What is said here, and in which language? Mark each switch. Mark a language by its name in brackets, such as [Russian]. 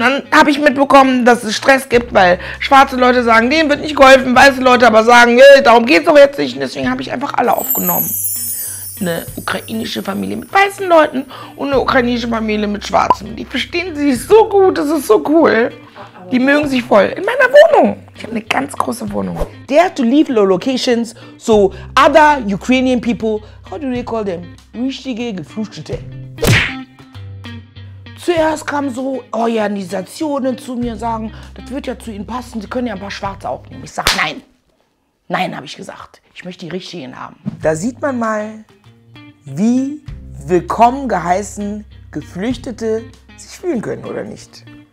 [German] Dann habe ich mitbekommen, dass es Stress gibt, weil schwarze Leute sagen, denen wird nicht geholfen. Weiße Leute aber sagen, hey, darum geht's doch jetzt nicht. Und deswegen habe ich einfach alle aufgenommen. Eine ukrainische Familie mit weißen Leuten und eine ukrainische Familie mit schwarzen. Die verstehen sich so gut, das ist so cool. Die mögen sich voll. In meiner Wohnung. Ich habe eine ganz große Wohnung. [English] They have to leave low locations, so other Ukrainian people, how do they call them? [German] Richtige Geflüchtete. Zuerst kamen so Organisationen zu mir und sagen, das wird ja zu ihnen passen, sie können ja ein paar Schwarze aufnehmen. Ich sage nein. Nein, habe ich gesagt. Ich möchte die Richtigen haben. Da sieht man mal, wie willkommen geheißen Geflüchtete sich fühlen können oder nicht.